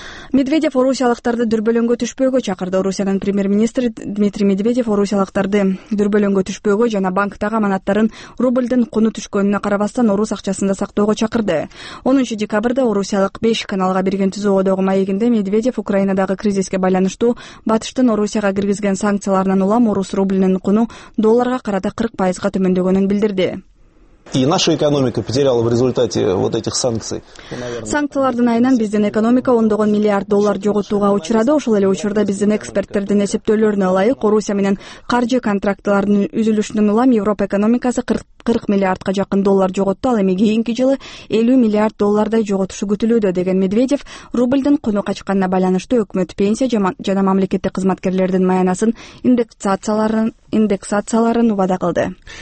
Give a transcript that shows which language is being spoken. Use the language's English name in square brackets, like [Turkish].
[Kyrgyz] Медведев орусиялыктарды дүрбөлөңгө түшпөөгө чакырды. Орусиянын премьер-министри Дмитрий Медведев орусиялыктарды дүрбөлөңгө түшпөөгө жана банктагы аманаттарын рубльдин куну түшкөнүнө карабастан орус акчасында сактоого чакырды. 10-декабрда орусиялык 5 каналга берген түзөөдөгү маегинде Медведев Украинадагы кризиске байланыштуу батыштын Орусияга киргизген санкцияларынан улам орус рублинин куну долларга карата 40% төмөндөгөнүн билдирди. [Russian] И наша экономика потеряла в результате вот этих санкций. [Kyrgyz] Санкциялардын айынан биздин экономика 10 миллиард доллар жоготууга учурады. Ошол эле учурда биздин эксперттердин эсептөөлөрүнө ылайык, Орусия менен каржы контрактыларынын үзүлүшүнөн улам Европа экономикасы 40 миллиардка жакын доллар жоготту, ал эми кийинки жылы 50 миллиард доллардай жоготушу күтүлүүдө деген Медведев рубльдин куну качканына байланыштуу өкмөт пенсия жана мамлекеттик кызматкерлердин маянасын индексацияларын убада кылды.